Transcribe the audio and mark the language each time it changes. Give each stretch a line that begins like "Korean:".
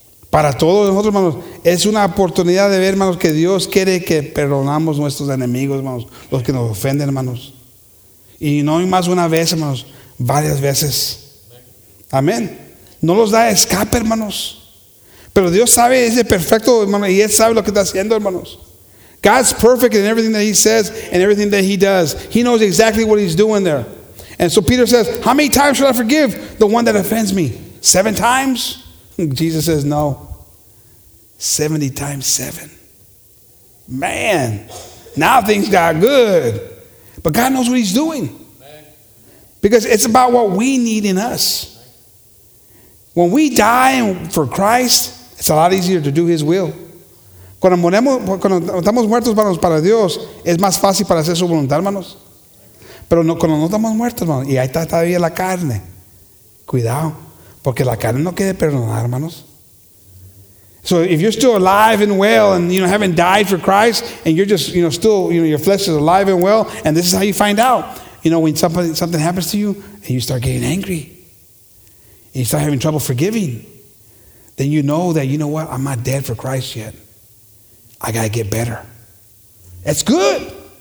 Spanish: Para todos nosotros, hermanos, es una oportunidad de ver, hermanos, que Dios quiere que perdonamos nuestros enemigos, hermanos, los que nos ofenden, hermanos. Y no más una vez, hermanos, varias veces. Amén. No los da escape, hermanos. Pero Dios sabe, es perfecto, hermanos, y Él sabe lo que está haciendo, hermanos.
English: God's perfect in everything that He says and everything that He does. He knows exactly what He's doing there. And so Peter says, how many times should I forgive the one that offends me? Seven times? Jesus says, no. 70 times seven. Man, now things got good. But God knows what He's doing. Because it's about what we need in us. When we die for Christ, it's a lot easier to do His will.
Spanish: Cuando estamos muertos, hermanos, para Dios, es más fácil para hacer su voluntad, hermanos. Pero no, cuando no estamos muertos, hermanos, y ahí está todavía la carne, cuidado, porque la carne no quiere perdonar, hermanos.
English: So if you're still alive and well and, you know, haven't died for Christ and you're just, you know, still, you know, your flesh is alive and well, and this is how you find out, you know, when something happens to you and you start getting angry and you start having trouble forgiving, then you know that, you know what, I'm not dead for Christ yet. I got to get better. That's good.